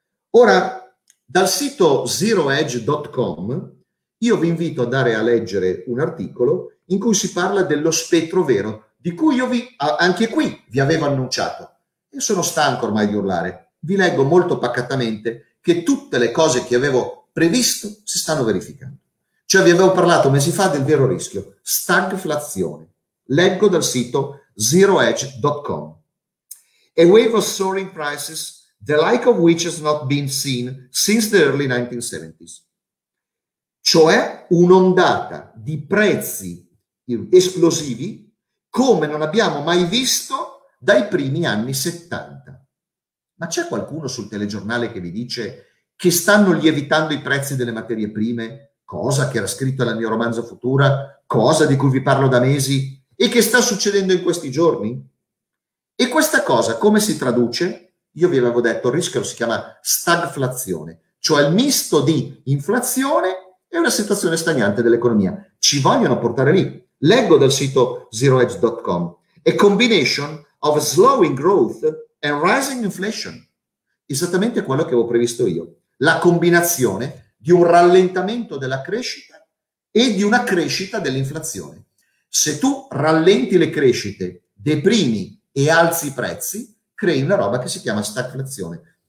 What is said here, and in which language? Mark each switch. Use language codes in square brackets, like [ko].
[it] Ora, dal sito zeroedge.com io vi invito a andare a leggere un articolo in cui si parla dello spettro vero, di cui io anche qui vi avevo annunciato. E sono stanco ormai di urlare. Vi leggo molto pacatamente che tutte le cose che avevo previsto si stanno verificando. Cioè vi avevo parlato mesi fa del vero rischio, stagflazione. Leggo dal sito zeroedge.com. [en] A wave of soaring prices, the like of which has not been seen since the early 1970s. [it] Cioè un'ondata di prezzi esplosivi come non abbiamo mai visto dai primi anni 70. Ma c'è qualcuno sul telegiornale che vi dice che stanno lievitando i prezzi delle materie prime? Cosa che era scritto nel mio romanzo Futura, cosa di cui vi parlo da mesi e che sta succedendo in questi giorni? E questa cosa come si traduce? Io vi avevo detto, il rischio si chiama stagflazione, cioè il misto di inflazione è una situazione stagnante dell'economia. Ci vogliono portare lì. Leggo dal sito zeroedge.com. [en] A combination of slowing growth and rising inflation. [it] Esattamente quello che avevo previsto io. La combinazione di un rallentamento della crescita e di una crescita dell'inflazione. Se tu rallenti le crescite, deprimi e alzi i prezzi, crei una roba che si chiama stagflazione.